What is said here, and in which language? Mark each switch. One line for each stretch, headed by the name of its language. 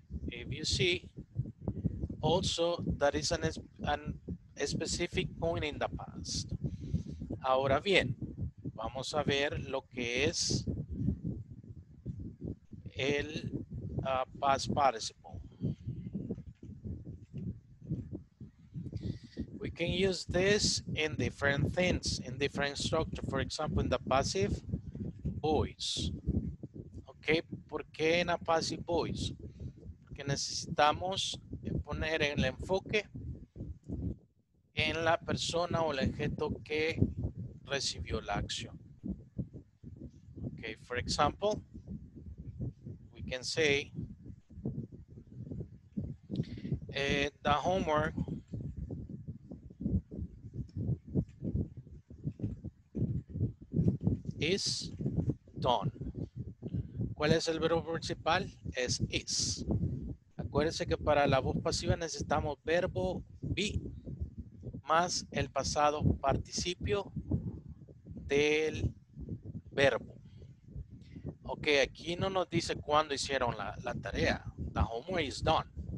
English: If you see, also that is a specific point in the past.
Spanish: Ahora bien, vamos a ver lo que es el past participle.
English: can use this in different things, in different structure. For example, in the passive voice. Okay,
Spanish: ¿por qué en la
English: passive voice?
Spanish: Porque necesitamos poner el enfoque en la persona o el objeto que recibió la acción.
English: Okay, for example, we can say the homework is done.
Spanish: ¿Cuál es el verbo principal? Es is. Acuérdense que para la voz pasiva necesitamos verbo be más el pasado participio del verbo. Ok, aquí no nos dice cuándo hicieron la tarea.
English: The homework is done.